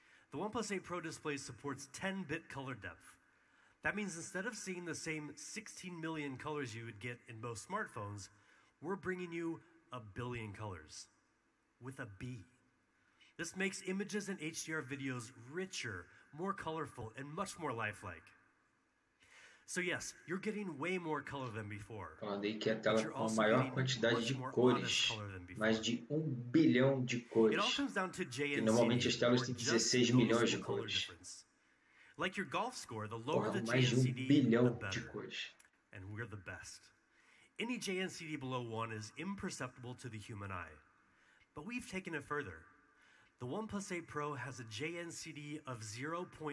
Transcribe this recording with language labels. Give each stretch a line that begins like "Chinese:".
English: The OnePlus 8 Pro display supports 10-bit color depth. That means instead of seeing the same 16 million colors you would get in most smartphones, we're bringing you a billion colors. With a B. This makes images and HDR videos richer, more colorful, and much more lifelike. So yes, you're getting way more color than before.
Portuguese: Falando aí que é a tela com a maior quantidade de cores, mais de 1 bilhão de cores. E normalmente as telas têm 16 milhões de cores.
English: Like your golf score, the lower the JNCD, the better. And we're the best. Any JNCD below 1 is imperceptible to the human eye. But we've taken it further. The OnePlus 8 Pro has a JNCD of 0.4.